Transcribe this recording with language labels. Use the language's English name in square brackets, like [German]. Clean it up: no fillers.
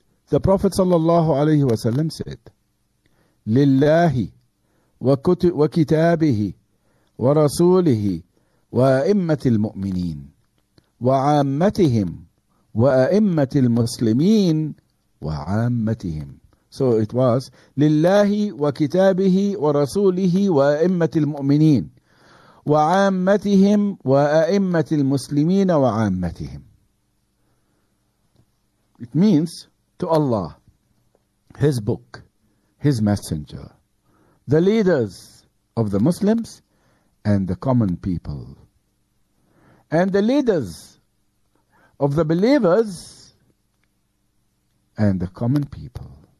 [English] The Prophet sallallahu alayhi wa sallam said, [Arabic] Lillahi wa kitabihi wa rasulihi وَأَئِمَّةِ الْمُؤْمِنِينَ وَعَامَّتِهِمْ وَأَئِمَّةِ الْمُسْلِمِينَ وَعَامَّتِهِمْ. So it was لِلَّهِ وَكِتَابِهِ وَرَسُولِهِ وَأَئِمَّةِ الْمُؤْمِنِينَ وَعَامَّتِهِمْ وَأَئِمَّةِ الْمُسْلِمِينَ وَعَامَّتِهِمْ. [English] It means to Allah, His Book, His Messenger, the leaders of the Muslims, and the common people, and the leaders of the believers, and the common people.